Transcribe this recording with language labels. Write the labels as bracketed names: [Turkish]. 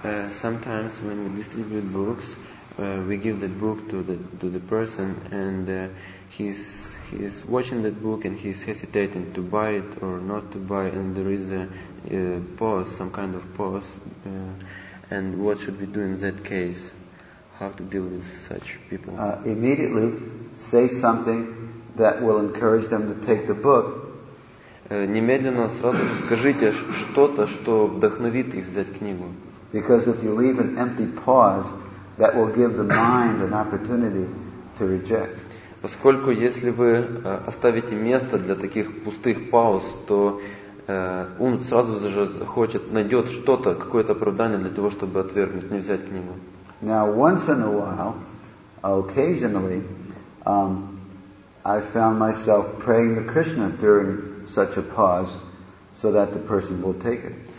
[English] Sometimes when we distribute books, we give that book to the person, and he's watching that book and he's hesitating to buy it or not to buy, and there is some kind of pause, and what should we do in that case? How to deal with such people? Immediately say something that will encourage them to take the book. [Russian] Немедленно сразу же скажите что-то, что вдохновит их взять книгу. [English] Because if you leave an empty pause, that will give the mind an opportunity to reject. [Russian] Поскольку если вы оставите место для таких пустых пауз, то ум сразу же хочет, найдет что-то, какое-то оправдание для того, чтобы отвергнуть, не взять книгу. [English] Now, once in a while, occasionally, I found myself praying to Krishna during such a pause so that the person will take it.